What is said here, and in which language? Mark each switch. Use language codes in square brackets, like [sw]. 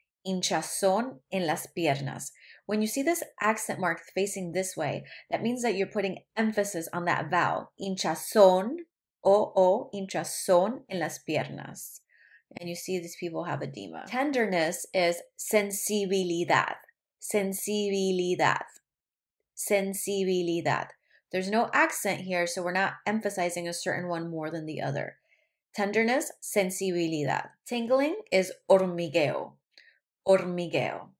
[es] Hinchazón en las piernas. [en] When you see this accent mark facing this way, that means that you're putting emphasis on that vowel. [es] Hinchazón, o, hinchazón en las piernas. [en] And you see these people have edema. Tenderness is sensibilidad. [es] Sensibilidad. Sensibilidad. [en] There's no accent here, so we're not emphasizing a certain one more than the other. Tenderness, sensibilidad. Tingling is hormigueo. Hormigueo.